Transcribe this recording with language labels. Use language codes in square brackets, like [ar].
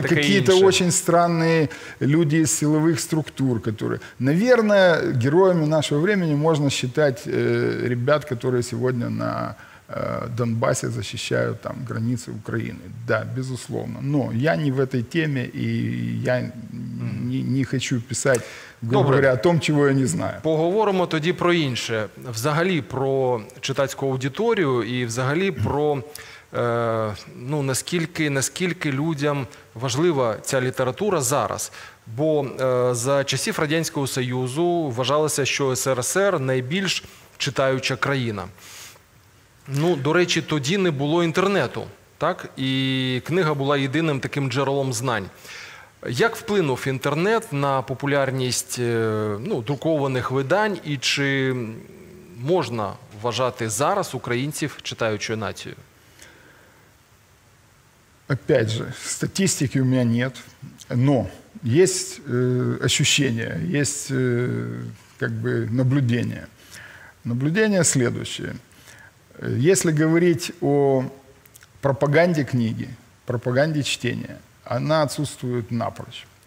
[ru] какие-то очень странные люди из силовых структур, которые, наверное, героями нашего времени можно считать ребят, которые сегодня на Донбассе защищают там границы Украины, да, безусловно, но я не в этой теме, и я не хочу писать, [uk] добре, [ru] говоря, о том, чего я не знаю. [uk] Поговоримо тоді про інше. Взагалі про читацьку аудиторію і взагалі про ну, наскільки людям важлива ця література зараз. Бо за часів Радянського Союзу вважалося, що СРСР – найбільш читаюча країна. Ну, до речі, тоді не було інтернету, так? І книга була єдиним таким джерелом знань. Як вплинув інтернет на популярність, ну, друкованих видань, і чи можна вважати зараз українців читаючою нацією? [ru] Опять же, статистики у меня нет, но есть ощущение, есть как бы наблюдение. Наблюдение следующее. Если говорить о пропаганде книги, пропаганде чтения, она отсутствует напрочь.